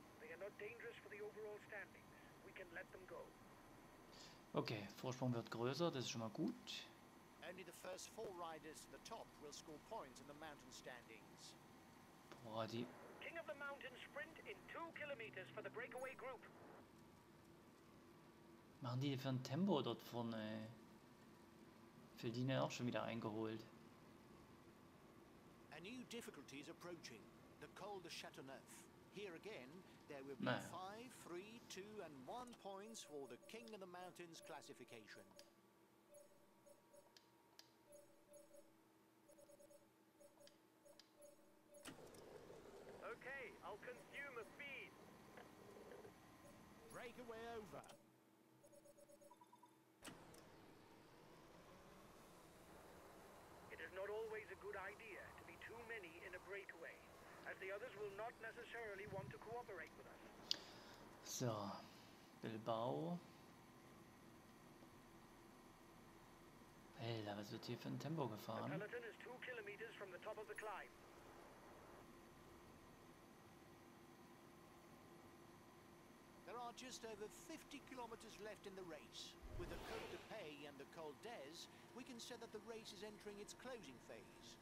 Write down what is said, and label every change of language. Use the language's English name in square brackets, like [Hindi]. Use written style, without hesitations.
[English] They are not dangerous for the overall standings. We can let them go. [German] Okay, Vorsprung wird größer, das ist schon mal gut. [English] Only the first 4 riders to the top will score points in the mountain standings. [German] Boah, die [English] King of the Mountain sprint in 2 kilometers for the breakaway group. [German] Machen die für ein Tempo dort vorne? Fellini auch schon wieder eingeholt. [English] A new difficulty is approaching. The Col de Chateauneuf. Here again, there will naja. Be 5, 3, 2 and 1 points for the King of the Mountains classification. Okay, I'll consume a feed. Breakaway over. Not always a good idea to be too many in a breakaway, as the others will not necessarily want to cooperate with us. So, Bilbao. [German] Alter, was wird hier für ein Tempo gefahren? [English] The peloton is 2 kilometers from the top of the climb. There are just over 50 kilometers left in the race. With the Côte de Paix and the Col d'Ez, we can say that the race is entering its closing phase.